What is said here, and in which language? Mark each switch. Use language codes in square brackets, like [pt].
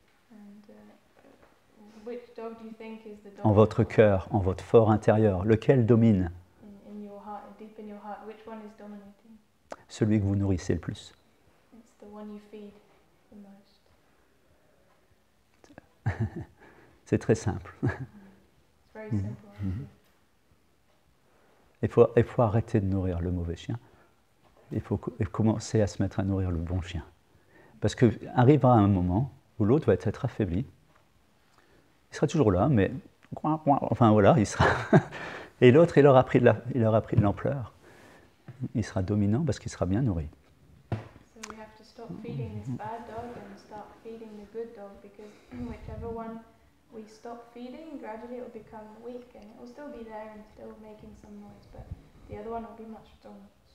[en] And, which dog do you think is the dog? [fr] En votre cœur, en votre fort intérieur, lequel domine? [en] In your heart, deep in your heart, which one is dominating? [fr] Celui que vous nourrissez le plus. [en] It's the one you feed the most. [fr] C'est très simple. [en] It's very simple. Mm-hmm. [fr] Il faut arrêter de nourrir le mauvais chien. Il faut commencer à se mettre à nourrir le bon chien. Parce qu'arrivera un moment où l'autre va être affaibli. Il sera toujours là, mais... Enfin voilà, il sera... Et l'autre, il aura pris de l'ampleur. Il sera dominant parce qu'il sera bien nourri. Donc, nous devons arrêter de nourrir ce mauvais chien et commencer à nourrir le bon chien. Parce que, [en] whichever one we stop feeding, gradually it will become weak and it will still be there and still making some noise. But the other one will be much stronger.